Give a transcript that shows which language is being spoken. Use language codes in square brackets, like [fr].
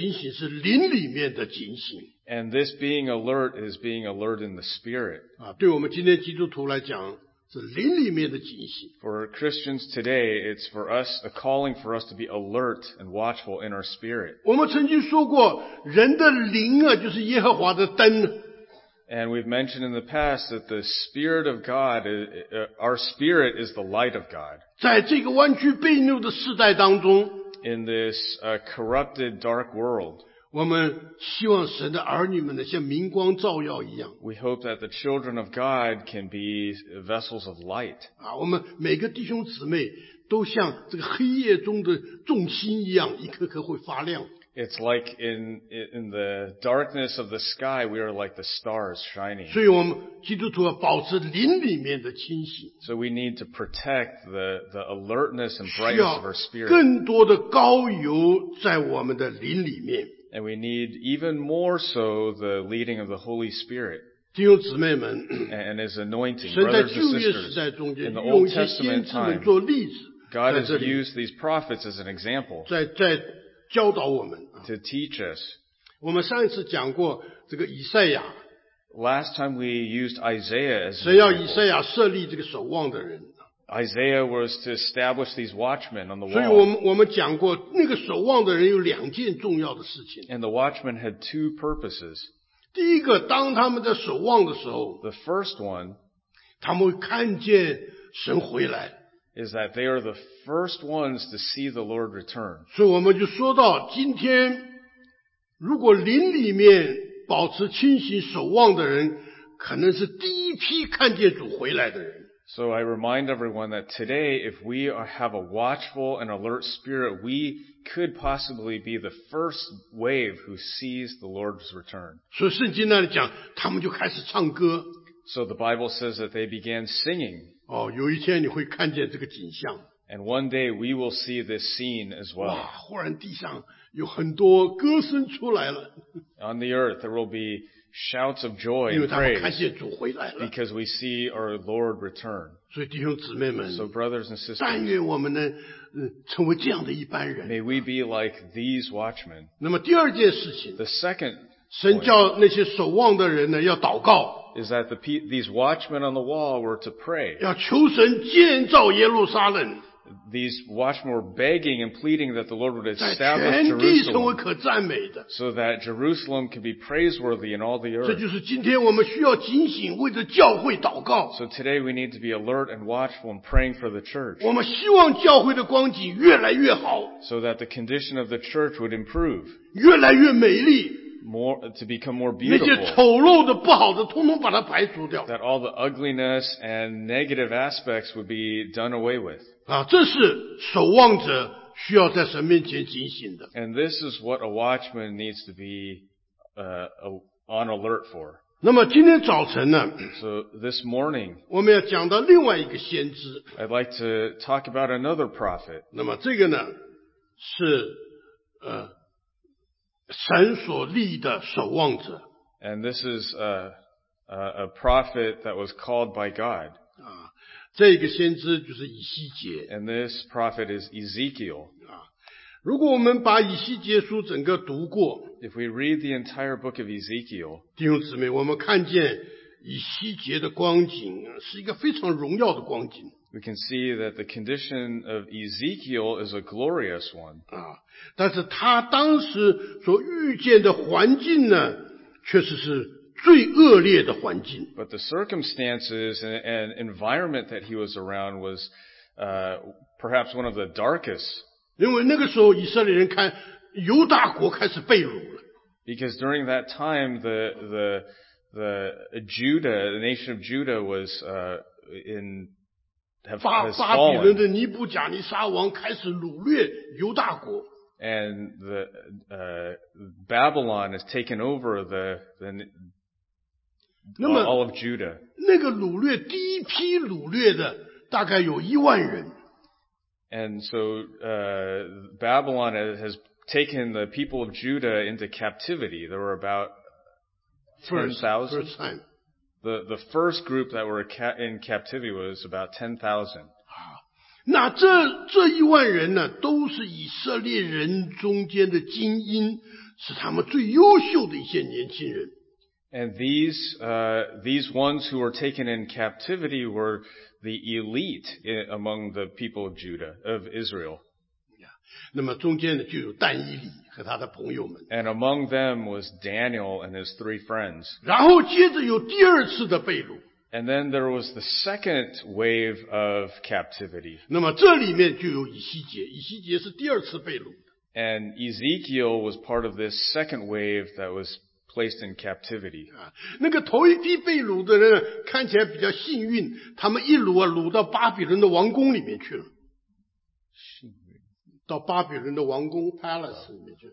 [zh] 当然我们最知道这个警醒是灵里面的警醒, [en] and this being alert is being alert in the spirit. [zh] 啊, 对我们今天基督徒来讲, 是灵里面的警醒, [en] for Christians today, it's for us a calling for us to be alert and watchful in our spirit. [zh] 我们曾经说过, 人的灵啊, 就是耶和华的灯, [en] and we've mentioned in the past that the Spirit of God, our spirit is the light of God. [zh] 在这个弯曲悖谬的世代当中, [en] in this corrupted dark world, [zh] 我们希望神的儿女们像明光照耀一样, [en] we hope that the children of God can be vessels of light. [zh] 啊, 我们每个弟兄姊妹都像这个黑夜中的众星一样, 一颗颗会发亮。 [en] It's like in the darkness of the sky, we are like the stars shining. [zh] 所以我们基督徒要保持灵里面的清醒。 [en] So we need to protect the alertness and brightness of our spirit. [zh] 更多的膏油在我们的灵里面。 [en] And we need even more so the leading of the Holy Spirit. [zh] 弟兄姊妹们, [en] and his anointing, brothers and sisters, in the Old Testament time, God has used these prophets as an example. [zh] 教导我们, [en] to teach us. [zh] 我们上一次讲过这个以赛亚, [en] last time we used Isaiah as [zh] 神要以赛亚设立这个守望的人, [en] Isaiah was to establish these watchmen on the wall. [zh] 所以我们讲过那个守望的人有两件重要的事情, [en] and the watchmen had two purposes. [zh] 第一个, 当他们在守望的时候, [en] the first one, [zh] 他们会看见神回来, [en] is that they are the first ones to see the Lord return. [zh] 所以我们就说到今天, 如果灵里面保持清醒守望的人, 可能是第一批看见主回来的人。 [en] So I remind everyone that today, if we have a watchful and alert spirit, we could possibly be the first wave who sees the Lord's return. [zh] 所以圣经那里讲, 他们就开始唱歌。 [en] So the Bible says that they began singing. [zh] 哦, 有一天你会看见这个景象, [en] and one day we will see this scene as well. [zh] 哇, 忽然地上有很多歌声出来了。 [en] On the earth there will be shouts of joy and praise because we see our Lord return. [zh] 所以弟兄姊妹们, [en] so brothers and sisters, [zh] 但愿我们能成为这样的一般人, [en] may we be like these watchmen. [zh] 那么第二件事情, [en] the second [zh] point, 神叫那些守望的人呢, 要祷告, [en] is that these watchmen on the wall were to pray. [zh] 要求神建造耶路撒冷, [en] these watchmen were begging and pleading that the Lord would establish Jerusalem so that Jerusalem can be praiseworthy in all the earth. [zh] 这就是今天我们需要警醒, [en] so today we need to be alert and watchful and praying for the church. [zh] 我们希望教会的光景越来越好, [en] so that the condition of the church would improve. [zh] 越来越美丽, [en] more, to become more beautiful. That all the ugliness and negative aspects would be done away with. [zh] 啊，这是守望者需要在神面前警醒的。 [en] And this is what a watchman needs to be, on alert for. [zh] 那么今天早晨呢？ [en] So this morning, [zh] 我们要讲到另外一个先知。 [en] I'd like to talk about another prophet. [zh] 那么这个呢，是神所立的守望者。 [en] And this is a prophet that was called by God. [zh] 啊，这个先知就是以西结。 [en] And this prophet is Ezekiel. [zh] 啊，如果我们把以西结书整个读过 [en] ，If we read the entire book of Ezekiel， [zh] 弟兄姊妹，我们看见以西结的光景是一个非常荣耀的光景。 [en] We can see that the condition of Ezekiel is a glorious one. [zh] 啊，但是他当时所遇见的环境呢，确实是最恶劣的环境。 [en] But the circumstances and environment that he was around was, perhaps one of the darkest. [zh] 因为那个时候以色列人看犹大国开始被掳了。 [en] Because during that time, the Judah, the nation of Judah was, in [zh] 巴比伦的尼布甲尼撒王开始掳掠犹大国。 [en] And the, Babylon has taken over the all of Judah. [zh] 那个掳掠第一批掳掠的大概有一万人。 [en] And so, Babylon has taken the people of Judah into captivity. There were about 10,000. First time. The first group that were in captivity was about 10,000. [zh] 那这一万人呢，都是以色列人中间的精英，是他们最优秀的一些年轻人。 [en] And these ones who were taken in captivity were the elite among the people of Judah, of Israel. [zh] 那么中间呢，就有但以理和他的朋友们。 [en] And among them was Daniel and his three friends. [zh] 然后接着有第二次的被掳。 [en] And then there was the second wave of captivity. [zh] 那么这里面就有以西结，以西结是第二次被掳。 [en] And Ezekiel was part of this second wave that was placed in captivity. [zh] 那个头一批被掳的人看起来比较幸运，他们一掳啊，掳到巴比伦的王宫里面去了。到巴比伦的王宫 palace 里面去。